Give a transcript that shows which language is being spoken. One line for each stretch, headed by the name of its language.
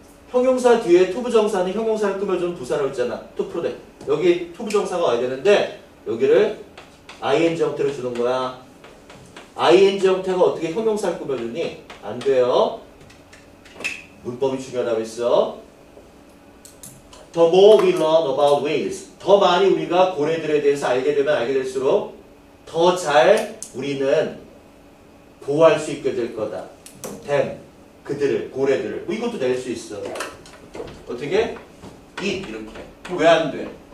Korean: 형용사 뒤에 투부정사는 형용사를 꾸며주는 부사로 있잖아. 투프로덱. 여기 투부정사가 와야 되는데 여기를 ing 형태로 주는 거야. ing 형태가 어떻게 형용사를 꾸며주니? 안 돼요. 문법이 중요하다고 했어.
English: The more we learn about whales.
Korean: 더 많이 우리가 고래들에 대해서 알게 되면 알게 될수록 더 잘 우리는 보호할 수 있게 될 거다. them. 그들을, 고래들을. 뭐 이것도 낼 수 있어. 어떻게? it 이렇게. 왜 안 돼?